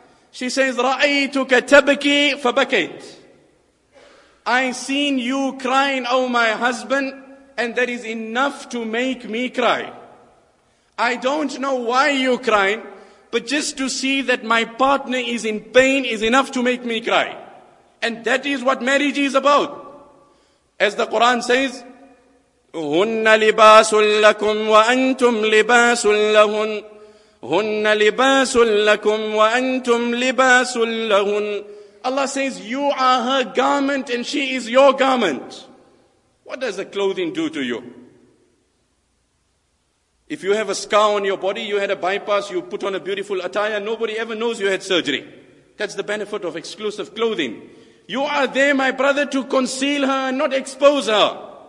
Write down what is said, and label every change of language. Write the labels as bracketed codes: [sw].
[en] She says, [ar] Ra'aytuka tabki fabakit. [en] I seen you crying, oh my husband, and that is enough to make me cry. I don't know why you cry, but just to see that my partner is in pain is enough to make me cry. And that is what marriage is about. As the Quran says, [ar] هُنَّ لِبَاسٌ لَكُمْ وَأَنْتُمْ لِبَاسٌ لَهُنْ هُنَّ لِبَاسٌ لَكُمْ وَأَنْتُمْ لِبَاسٌ لَهُنْ. [en] Allah says, you are her garment and she is your garment. What does the clothing do to you? If you have a scar on your body, you had a bypass, you put on a beautiful attire, nobody ever knows you had surgery. That's the benefit of exclusive clothing. You are there, my brother, to conceal her and not expose her.